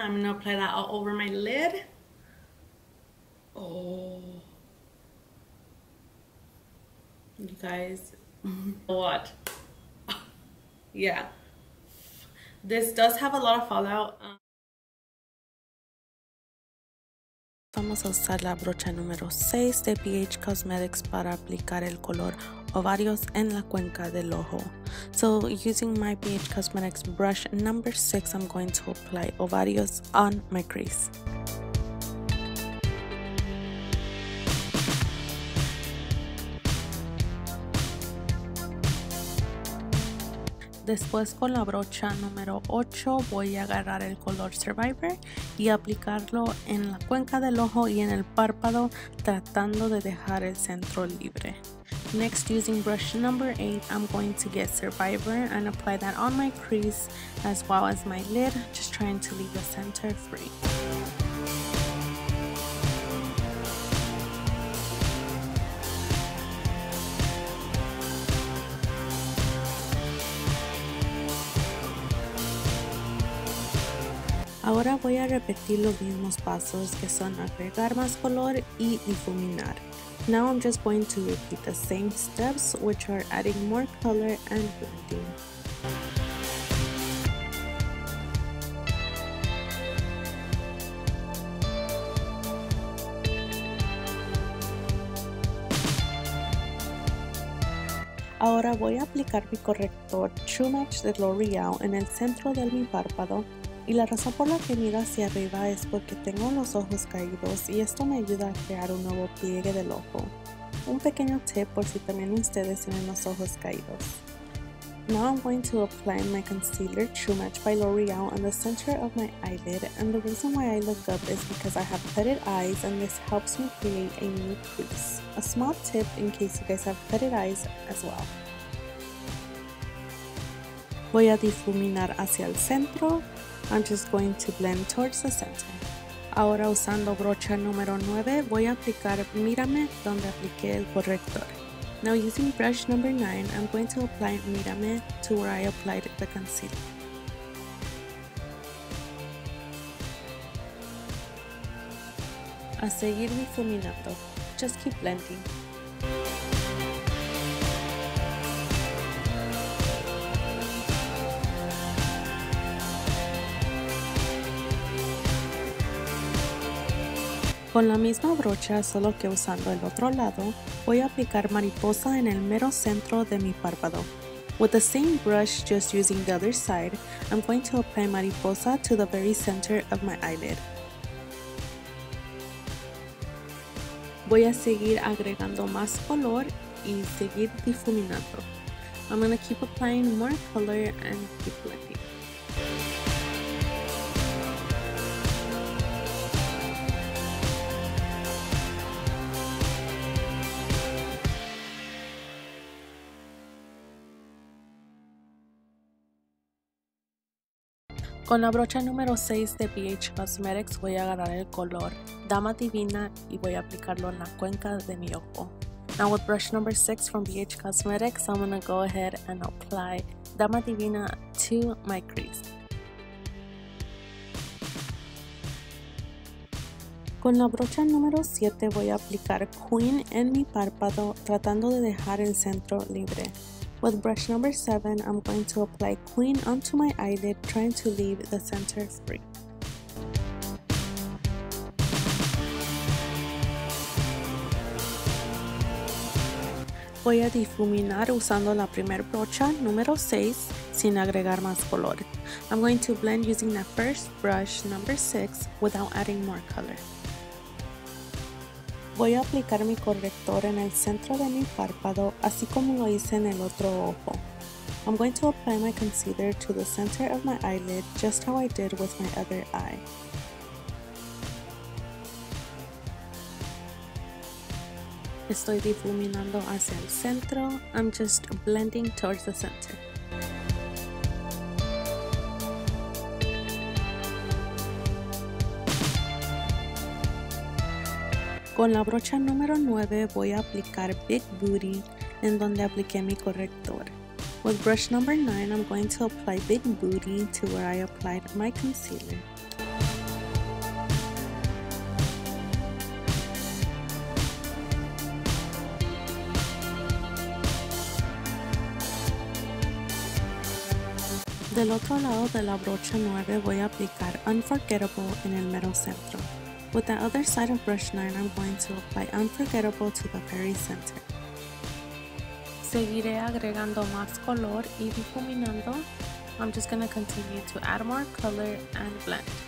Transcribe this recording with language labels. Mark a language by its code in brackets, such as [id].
[en] I'm gonna apply that all over my lid. Oh, you guys, what? Yeah, this does have a lot of fallout. [es] Vamos a usar la brocha número 6 de PH Cosmetics para aplicar el color ovarios en la cuenca del ojo. [en] So using my PH Cosmetics brush number 6, I'm going to apply ovarios on my crease. [es] Después, con la brocha número 8, voy a agarrar el color Survivor y aplicarlo en la cuenca del ojo y en el párpado, tratando de dejar el centro libre. [en] Next, using brush number 8, I'm going to get Survivor and apply that on my crease as well as my lid, just trying to leave the center free. [es] Ahora voy a repetir los mismos pasos, que son agregar más color y difuminar. [en] Now I'm just going to repeat the same steps, which are adding more color and blending. [es] Ahora voy a aplicar mi corrector True Match de L'Oreal en el centro de mi párpado. Y la razón por la que miro hacia arriba es porque tengo los ojos caídos y esto me ayuda a crear un nuevo pliegue del ojo. Un pequeño tip por si también ustedes tienen los ojos caídos. [en] Now I'm going to apply my concealer True Match by L'Oreal on the center of my eyelid, and the reason why I look up is because I have pitted eyes and this helps me create a new crease. A small tip in case you guys have pitted eyes as well. [es] Voy a difuminar hacia el centro. [en] I'm just going to blend towards the center. [es] Ahora, usando brocha número 9, voy a aplicar Mírame donde apliqué el corrector. [en] Now using brush number 9, I'm going to apply Mírame to where I applied the concealer. [es] A seguir difuminando. [en] Just keep blending. [es] Con la misma brocha, solo que usando el otro lado, voy a aplicar mariposa en el mero centro de mi párpado. [en] With the same brush, just using the other side, I'm going to apply mariposa to the very center of my eyelid. [es] Voy a seguir agregando más color y seguir difuminando. [en] I'm gonna keep applying more color and keep blending. [es] Con la brocha número 6 de BH Cosmetics voy a agarrar el color Dama Divina y voy a aplicarlo en la cuenca de mi ojo. [en] Now with brush number 6 from BH Cosmetics, I'm gonna go ahead and apply Dama Divina to my crease. [es] Con la brocha número 7 voy a aplicar Queen en mi párpado tratando de dejar el centro libre. [en] With brush number 7, I'm going to apply Queen onto my eyelid, trying to leave the center free. [es] Voy a difuminar usando la primer brocha, número 6, sin agregar más color. [en] I'm going to blend using the first brush, number 6, without adding more color. [es] Voy a aplicar mi corrector en el centro de mi párpado, así como lo hice en el otro ojo. [en] I'm going to apply my concealer to the center of my eyelid, just how I did with my other eye. [es] Estoy difuminando hacia el centro. [en] I'm just blending towards the center. [es] Con la brocha número 9 voy a aplicar Big Booty en donde apliqué mi corrector. [en] With brush number 9, I'm going to apply Big Booty to where I applied my concealer. [es] Del otro lado de la brocha 9 voy a aplicar Unforgettable en el mero centro. [en] With the other side of brush 9, I'm going to apply Unforgettable to the very center. [es] Seguiré agregando más color y difuminando. [en] I'm just going to continue to add more color and blend.